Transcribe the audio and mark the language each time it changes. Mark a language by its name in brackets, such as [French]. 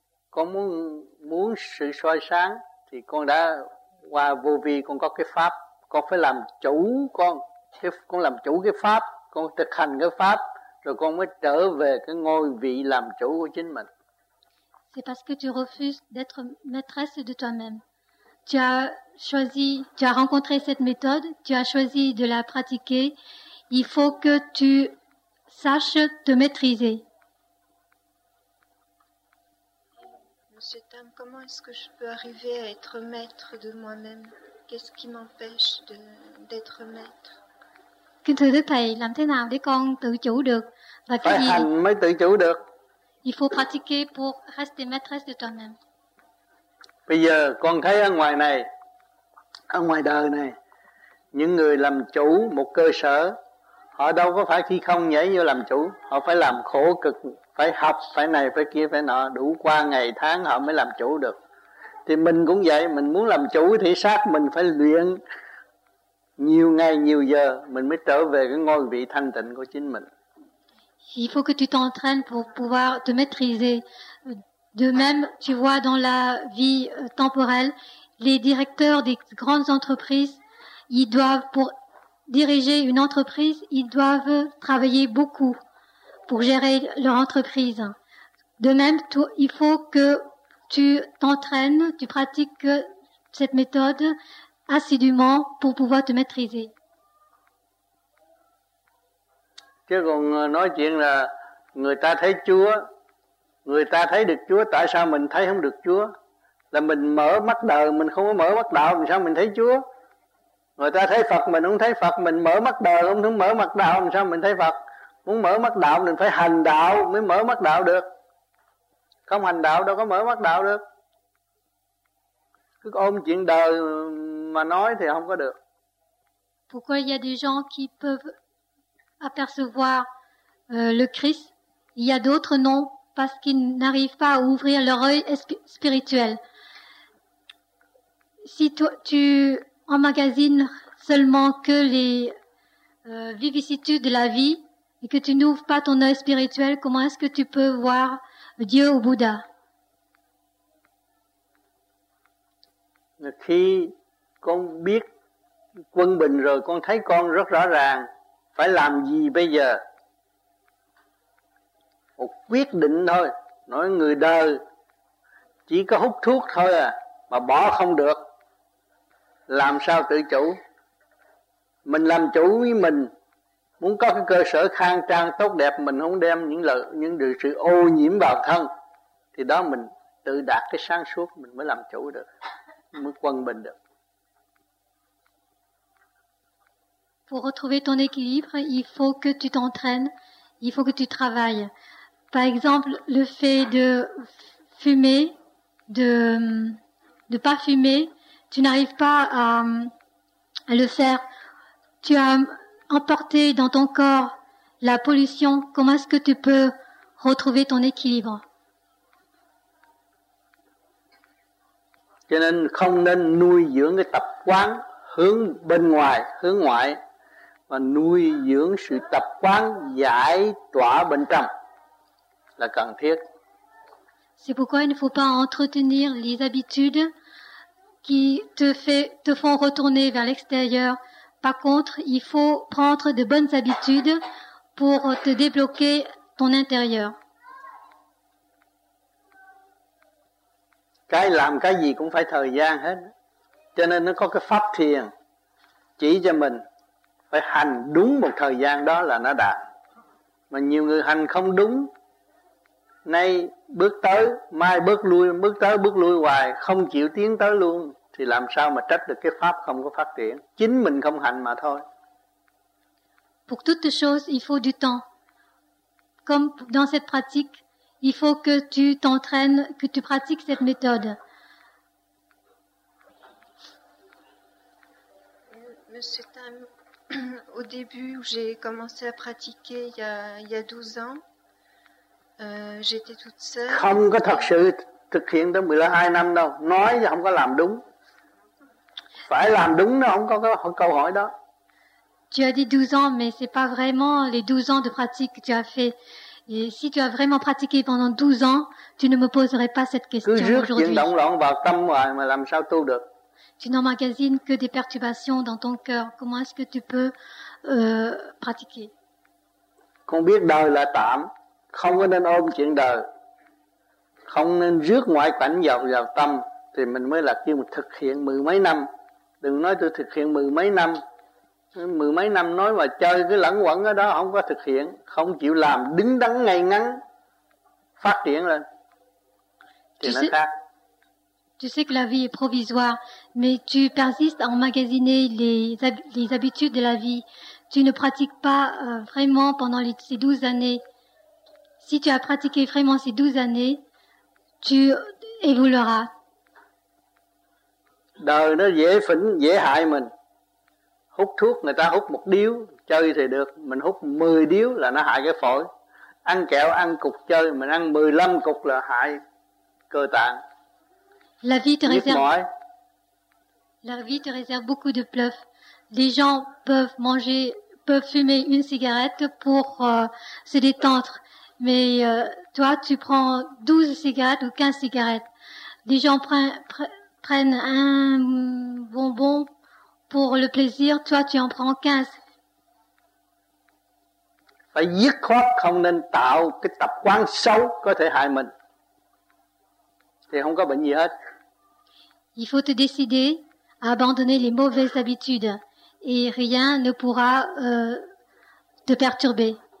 [Vietnamese] Con muốn sự soi sáng thì con đã qua vô vi, con có cái pháp. Con phải làm chủ con làm chủ cái pháp, con thực hành cái pháp, rồi con mới trở về cái ngôi vị làm chủ của chính mình. [French] C'est parce que tu refuses d'être maîtresse de toi-même. Tu as choisi, tu as rencontré cette méthode, tu as choisi de la pratiquer. Il faut que tu saches te maîtriser. Monsieur Tam, comment est-ce que je peux arriver à être maître de moi-même? Qu'est-ce qui m'empêche d'être maître? [Vietnamese] Kính thưa Đức Thầy, làm thế nào để con tự chủ được? Và phải cái hành gì mới tự chủ được. [French] Il faut pratiquer pour rester maîtresse de toi-même. [Vietnamese] Bây giờ con thấy ở ngoài này, ở ngoài đời này, những người làm chủ một cơ sở, họ đâu có phải khi không nhảy vô làm chủ. Họ phải làm khổ cực, phải học, phải này, phải kia, phải nọ, đủ qua ngày tháng họ mới làm chủ được. Thì mình cũng vậy, mình muốn làm chủ thì xác mình phải luyện nhiều ngày nhiều giờ, mình mới trở về cái ngôi vị thanh tịnh của chính mình. [French] Il faut que tu t'entraînes pour pouvoir te maîtriser. De même, tu vois dans la vie temporelle, les directeurs des grandes entreprises, ils doivent, pour diriger une entreprise, ils doivent travailler beaucoup pour gérer leur entreprise. De même, il faut que tu t'entraînes, tu pratiques cette méthode assidûment pour pouvoir te maîtriser. [Vietnamese] Chứ còn nói chuyện là người ta thấy Chúa, người ta thấy được Chúa, tại sao mình thấy không được Chúa? Là mình mở mắt đời, mình không có mở mắt đạo, làm sao mình thấy Chúa? Người ta thấy Phật, mình không thấy Phật, mình mở mắt đời, không mở mắt đạo, làm sao mình thấy Phật? Muốn mở mắt đạo, mình phải hành đạo mới mở mắt đạo được. Không hành đạo đâu có mở mắt đạo được. Cứ ôm chuyện đời mà nói thì không có được. [French] Pourquoi il y a des gens qui peuvent apercevoir le Christ, il y a d'autres non, parce qu'ils n'arrivent pas à ouvrir leur œil spirituel. Si tu emmagasines seulement que les vicissitudes de la vie et que tu n'ouvres pas ton œil spirituel, comment est-ce que tu peux voir Dieu ou Bouddha? [Vietnamese] Khi con biết quân bình rồi, con thấy con rất rõ ràng. Phải làm gì bây giờ? Một quyết định thôi. Nói người đời chỉ có hút thuốc thôi à, mà bỏ không được. Làm sao tự chủ? Mình làm chủ với mình. Muốn có cái cơ sở khang trang tốt đẹp, mình không đem những sự ô nhiễm vào thân, thì đó mình tự đạt cái sáng suốt, mình mới làm chủ được, mới quân bình được. [French] Pour retrouver ton équilibre, il faut que tu t'entraînes, il faut que tu travailles. Par exemple, le fait de fumer, de pas fumer, tu n'arrives pas à le faire. Tu as emporté dans ton corps la pollution. Comment est-ce que tu peux retrouver ton équilibre? [Vietnamese] Cho nên không nên nuôi dưỡng cái tập quán hướng bên ngoài, hướng ngoại. Và nuôi dưỡng sự tập quán giải tỏa bên trong là cần thiết. [French] C'est pourquoi il ne faut pas entretenir les habitudes qui te font retourner vers l'extérieur. Par contre, il faut prendre de bonnes habitudes pour te débloquer ton intérieur. [Vietnamese] Cái làm cái gì cũng phải thời gian hết. Cho nên nó có cái pháp thiền chỉ cho mình. Phải hành đúng một thời gian đó là nó đạt. Mà nhiều người hành không đúng. Nay bước tới, mai bước lui hoài, không chịu tiến tới luôn. Thì làm sao mà trách được cái pháp không có phát triển. Chính mình không hành mà thôi. [French] Pour toute chose, il faut du temps. Comme dans cette pratique, il faut que tu t'entraînes, que tu pratiques cette méthode. Monsieur Tam, au début, j'ai commencé à pratiquer il y a 12 ans. J'étais toute seule. [Vietnamese] Không có thật sự thực hiện tới 12 năm đâu. Nói thì không có làm đúng. Phải làm đúng nó không có cái câu hỏi đó. [French] Tu as dit 12 ans, mais c'est pas vraiment les 12 ans de pratique que tu as fait. Et si tu as vraiment pratiqué pendant 12 ans, tu ne me poserais pas cette question aujourd'hui. [Vietnamese] Cứ rước chuyện động loạn vào tâm hoài mà làm sao tu được. [French] Tu n'emmagasines que des perturbations dans ton cœur. Comment est-ce que tu peux pratiquer? [Vietnamese] Con biết đời là tạm, không có nên ôm chuyện đời, không nên rước ngoại cảnh vào tâm, thì mình mới là kêu thực hiện mười mấy năm. Đừng nói tôi thực hiện mười mấy năm nói mà chơi cứ lẩn quẩn ở đó, không có thực hiện, không chịu làm, đứng đắn ngay ngắn, phát triển lên, thì nó khác. [French] Tu sais que la vie est provisoire, mais tu persistes à emmagasiner les habitudes de la vie. Tu ne pratiques pas vraiment pendant ces 12 années. Si tu as pratiqué vraiment ces 12 années, tu évolueras. [Vietnamese] Đời nó dễ phỉnh, dễ hại mình. Hút thuốc, người ta hút một điếu, chơi thì được. Mình hút 10 điếu là nó hại cái phổi. Ăn kẹo, ăn cục chơi, mình ăn 15 cục là hại cơ tạng. [French] La vie te réserve beaucoup de bluffs. Les gens peuvent fumer une cigarette pour se détendre. Mais toi, tu prends 12 cigarettes ou 15 cigarettes. Les gens prennent un bonbon pour le plaisir, toi tu en prends 15. [Vietnamese] Phải dứt khoát không nên tạo cái tập quán xấu có thể hại mình. Thì không có bệnh gì hết. [French] Il faut te décider à abandonner les mauvaises habitudes et rien ne pourra te perturber.